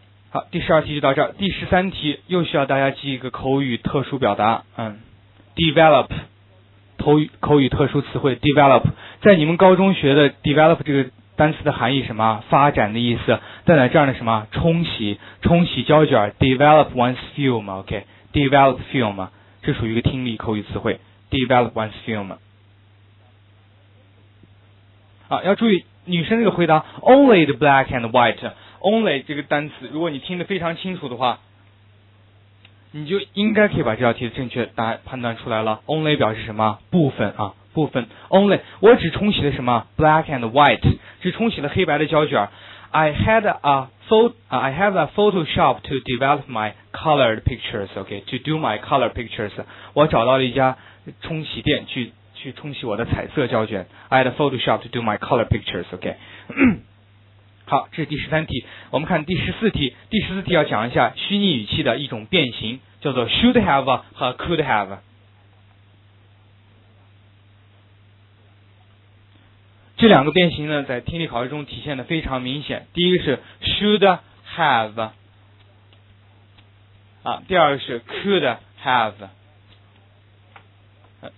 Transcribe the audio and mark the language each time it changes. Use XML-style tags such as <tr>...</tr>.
<zh>好，第十二题就到这儿。第十三题又需要大家记一个口语特殊表达，develop, 口语特殊词汇 develop, 在你们高中学的 develop 这个单词的含义什么？发展的意思，在哪这样的什么？冲洗胶卷 ，develop one's film,OK,、okay, develop film, 这属于一个听力口语词汇 ，develop one's film。啊，要注意女生这个回答</zh> <en>only the black and white</en> <zh>only 这个单词，如果你听得非常清楚的话，你就应该可以把这道题的正确答案判断出来了。 only 表示什么？部分啊，部分 only, 我只冲洗了什么 black and white, 只冲洗了黑白的胶卷。</zh> <en>I have a Photoshop to develop my colored pictures, OK, to do my color pictures,</en> <zh>我找到了一家冲洗店去冲洗我的彩色胶卷。</zh> <en>I had a Photoshop to do my color pictures, OK</en> <zh>好，这是第十三题，我们看第十四题。第十四题要讲一下虚拟语气的一种变形，叫做 should have 和 could have。这两个变形呢，在听力考试中体现的非常明显。第一个是 should have 啊，第二个是 could have。</zh>